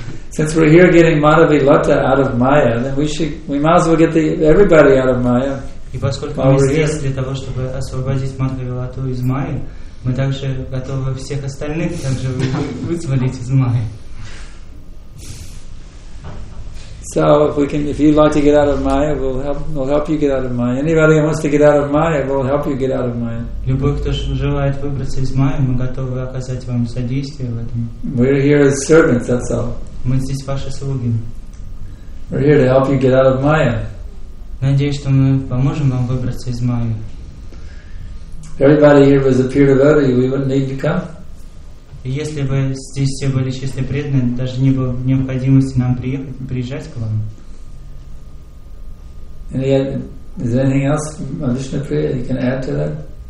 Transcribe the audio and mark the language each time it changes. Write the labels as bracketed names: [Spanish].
[English] Since we're here getting Madhavi Lata out of Maya, then we might as well get everybody out of Maya. [Russian] И поскольку мы здесь для того, чтобы освободить Madhavi Lata из Майи, мы также готовы всех остальных также вызволить из Майи. [English] So if you'd like to get out of Maya, we'll help you get out of Maya. Anybody who wants to get out of Maya, we'll help you get out of Maya. [Russian] Любой, кто желает выбраться из Майи, мы готовы оказать вам содействие в этом. [English] We're here as servants, that's all. [Russian] Мы здесь ваши слуги. [English] We're here to help you get out of Maya. [Russian] Надеюсь, что мы поможем вам выбраться из Майи. [English] Everybody here was a pure devotee, we wouldn't need to come. [Russian] Если бы здесь все были чистые преданные, даже не было необходимости нам приезжать к вам. [English] And yet, is there anything else, Vishnu Priya, you can add to that?